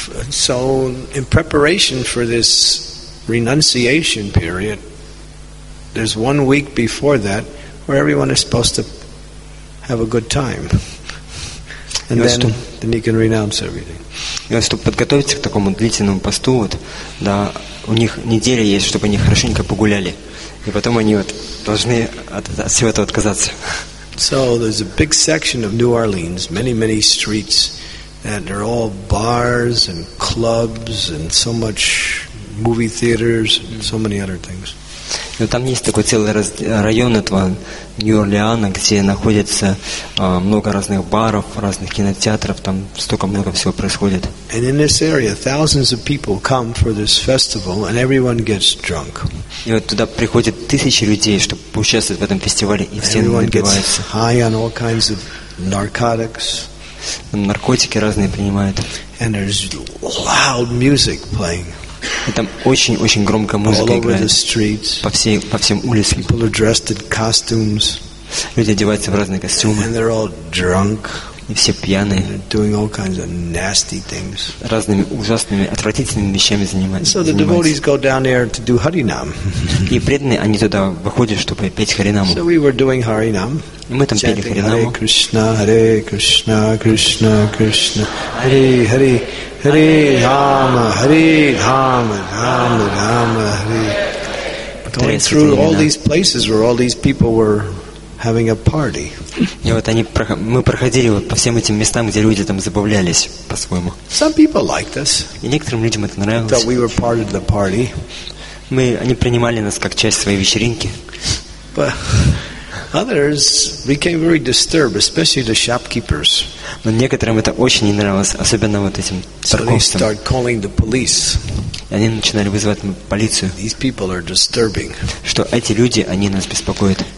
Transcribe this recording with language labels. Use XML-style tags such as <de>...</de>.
<en>So in preparation for this renunciation period, there's 1 week before that where everyone is supposed to have a good time. And then you can renounce everything.</en> <ru>Вот, чтобы подготовиться к такому длительному посту, вот, да, у них неделя есть, чтобы они хорошенько погуляли. И потом они вот должны от всего этого отказаться.</ru> <en>So there's a big section of New Orleans, many, many streets, and they're all bars and clubs and so much movie theaters and so many other things.</en> <ru>Но там есть такой целый район этого Нью-Орлеана, где находится много разных баров, разных кинотеатров, там столько много всего происходит.</ru> <en>And in this area, thousands of people come for this festival, and everyone gets drunk.</en> <ru>И вот туда приходят тысячи людей, чтобы поучаствовать в этом фестивале, и все напиваются.</ru> <en>High on all kinds of narcotics.</en> <ru>Наркотики разные принимают.</ru> <en>And there's loud music playing.</en> <ru>И там очень-очень громкая музыка играет по всем улицам.</ru> <en>People are dressed in costumes.</en> <ru>Люди одеваются в разные костюмы.</ru> <en>And they're all drunk.</en> <ru>И все пьяные.</ru> <en>And they're doing all kinds of nasty things.</en> <ru>Разными ужасными, отвратительными вещами занимаются.</ru> <en>So the devotees go down there to do Harinam.</en> <ru>И преданные, они туда выходят, чтобы петь Харинаму.</ru> <en>So we were doing Harinam.</en> <ru>И мы там пели Харинаму.</ru> <sa>Hare Krishna, Hare Krishna, Krishna Krishna, Hare Hare. Hare Rama, Hare Rama, Rama Rama, Hare.</sa> <en>Going through all these places where all these people were having a party.</en> <ru>И вот они, мы проходили по всем этим местам, где люди там забавлялись по-своему.</ru> <en>Some people liked us.</en> <ru>И некоторым людям это нравилось.</ru> <en>That we were part of the party.</en> <ru>Мы, они принимали нас как часть своей вечеринки.</ru> <en>But others became very disturbed, especially the shopkeepers.</en> <ru>Но некоторым это очень не нравилось, особенно вот этим торговцам.</ru> <en>So they start calling the police.</en> <ru>Они начинали вызывать полицию.</ru> <en>These people are disturbing.</en> <ru>Что эти люди, они нас беспокоят.</ru>